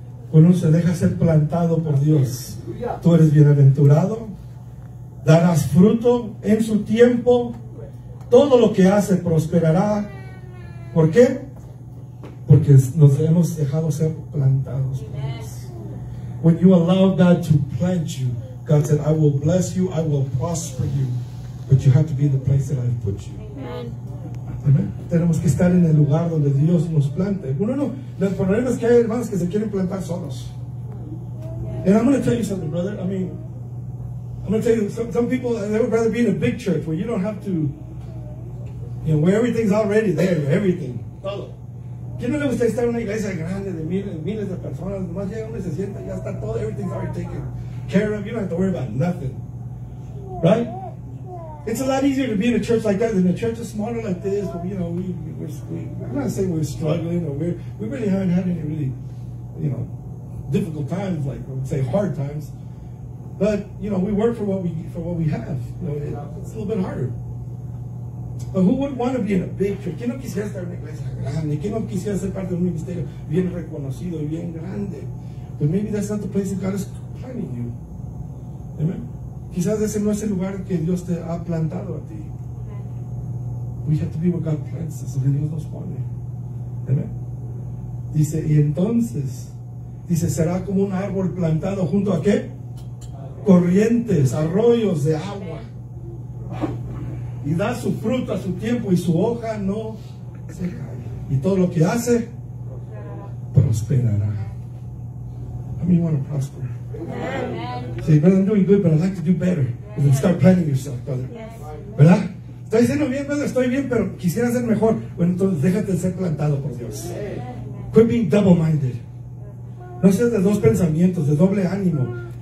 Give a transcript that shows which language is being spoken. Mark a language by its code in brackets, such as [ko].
[es] Cuando uno se deja ser plantado por Dios, tú eres bienaventurado, darás fruto en su tiempo, todo lo que hace prosperará. ¿Por qué? Porque nos hemos dejado ser plantados por Dios. [en] When you allow God to plant you, God said, I will bless you, I will prosper you, but you have to be in the place that I've put you. Amén. [es] Tenemos que estar en el lugar donde Dios nos plante. Bueno, no, los problemas que hay, hermanos, que se quieren plantar solos. [en] And I'm going to tell you something, brother. I mean, I'm going to tell you, some people, they would rather be in a big church where you don't have to, you know, where everything's already there, everything. [es] Todo. ¿Quién no le gusta estar en una iglesia grande de miles de personas? Nomás llega uno y se sienta, ya está todo, [en] everything's already taken care of. You don't have to worry about nothing. Right? It's a lot easier to be in a church like that than a church that's smaller like this. But, you know, I'm not saying we're struggling or we really haven't had any really, you know, difficult times, like I would say hard times. But, you know, we work for what we have. You know, it's a little bit harder. But who would want to be in a big church? [es] ¿Quién no quisiera estar en una iglesia grande? ¿Quién no quisiera ser parte de un ministerio bien reconocido y bien grande? [en] But maybe that's not the place that God is planning you. Amen. [es] Quizás ese no es el lugar que Dios te ha plantado a ti. [en] We have to be where God plants us, [es] donde Dios nos pone. Amen. Dice, y entonces, dice, será como un árbol plantado junto a qué? Corrientes, arroyos de agua. Y da su fruto a su tiempo y su hoja no se cae. Y todo lo que hace, prosperará. [en] I mean, you want to prosper. Say, brother, I'm doing good, but I'd like to do better. And then start planning yourself, brother. [es] ¿Verdad? Estoy haciendo bien, brother, estoy bien, pero quisiera ser mejor. Bueno, entonces déjate ser plantado por Dios. [en] Quit being double-minded. [es] No seas de dos pensamientos, de doble ánimo.